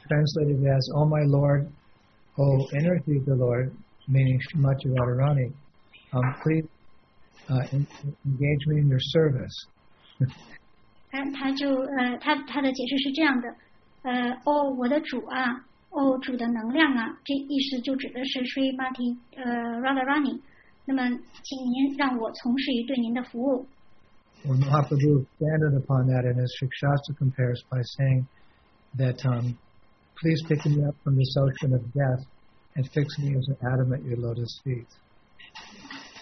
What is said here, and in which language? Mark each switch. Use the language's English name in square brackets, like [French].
[English] translated it as, "Oh my Lord, oh energy of the Lord," meaning Srimati Radharani, please engage me in your service. [Chinese] 他的解释是这样的，哦，我的主啊。哦，主的能量啊，这意思就指的是Srimati Radharani. 那么，请您让我从事于对您的服务。 [English] Well, Mahaprabhu expanded upon that in his Shikshastra compares by saying that, please pick me up from this ocean of death and fix me as an atom at your lotus feet.